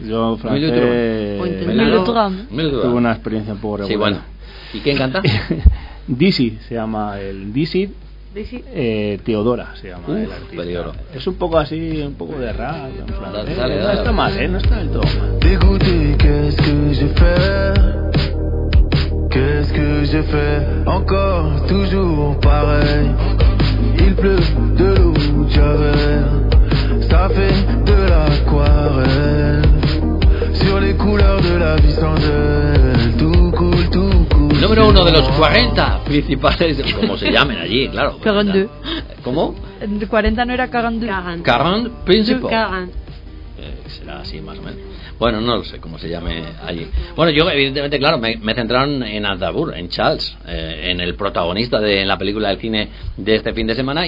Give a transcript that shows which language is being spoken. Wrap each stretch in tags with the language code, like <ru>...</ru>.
<es>Yo francés... Melodrama. Tuve una experiencia un poco regular. Sí, bueno. ¿Y quién canta? Dizzy, se llama el Dizzy. Teodora se llama. Uf, el artista. Peligro. Es un poco así, un poco de rap. Dale. No está mal, no está del todo mal.</es> <fr>Dégoûté, qu'est-ce que j'ai fait? Qu'est-ce que j'ai fait? Encore, toujours pareil. Il pleut de l'eau de Javel. Ça fait de l'aquarelle. Sur les couleurs de la vie sans elle. Tout coule, tout.</fr> <es>Número uno de los 40 principales, como se llamen allí, claro. 42. ¿Cómo? 40 no era 42. 40 principal. 40. Será así más o menos. Bueno, no lo sé cómo se llame allí. Bueno, yo evidentemente, claro, me centraron en Aznavour, en Charles, en el protagonista de en la película del cine de este fin de semana.</es>